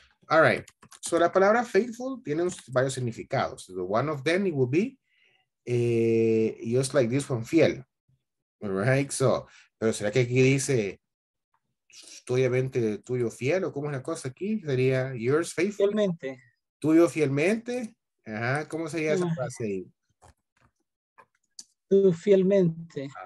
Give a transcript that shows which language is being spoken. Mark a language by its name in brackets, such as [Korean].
[Spanish] All right, so la palabra faithful tiene varios significados. [English] The one of them, it will be just like this one, fiel. [Spanish] All right, so, pero será que aquí dice, estoy obviamente tuyo fiel, o cómo es la cosa aquí? [English] Sería yours faithful. [Spanish] Fielmente. Tuyo fielmente. Ajá, ¿cómo sería esa frase ahí? Tu fielmente.